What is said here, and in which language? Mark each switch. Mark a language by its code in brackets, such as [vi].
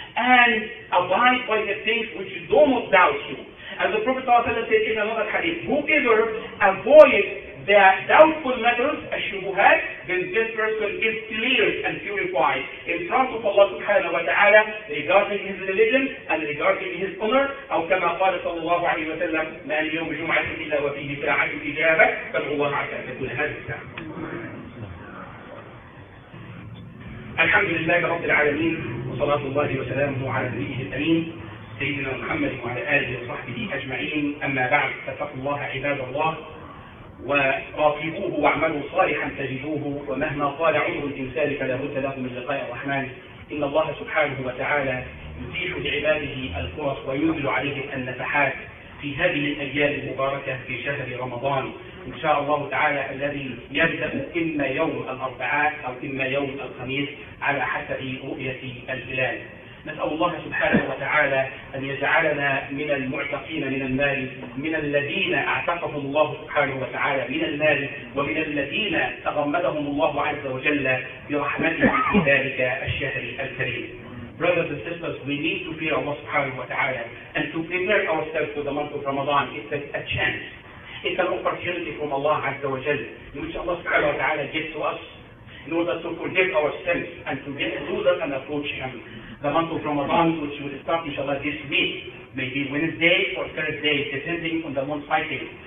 [en] And abide by the things which don't doubt you. As the Prophet ﷺ said in another hadith, whoever avoids the doubtful matters, as you have, then this person is cleared and purified in front of Allah subhanahu wa ta'ala regarding his religion and regarding his honor. [ar] أو كما قال صلى الله عليه وسلم ما اليوم جمعة إلا وفيه ساعة إجابة فالله عسى أن تكون هذه الساعة. الحمد لله رب العالمين وصلاة الله وسلامه على نبيه الأمين سيدنا محمد وعلى آله وصحبه أجمعين. أما بعد فاتقوا الله عباد الله وراقبوه واعملوا صالحا تجدوه ومهما طال عمر الإنسان فلا بد له من لقاء الرحمن إن الله سبحانه وتعالى يتيح لعباده الفرص وينزل عليه النفحات في هذه الأيام المباركة في شهر رمضان إن شاء الله تعالى الذي يبدأ إما يوم الأربعاء أو إما يوم الخميس على حسب رؤية الهلال. نسأل الله سبحانه وتعالى أن يجعلنا من المعتقين من المال من الذين اعتقهم الله سبحانه وتعالى من المال ومن الذين تغمدهم الله عز وجل برحمته في ذلك الشهر الكريم. [en] Brothers and sisters, we need to fear Allah subhanahu wa ta'ala and to prepare ourselves for the month of Ramadan. It's a chance. It's an opportunity from Allah عز وجل which Allah subhanahu wa ta'ala gives to us in order to forgive our sins and to get closer and approach Him. The month of Ramadan, which will start, inshallah, this week, maybe Wednesday or Thursday, depending on the month cycle.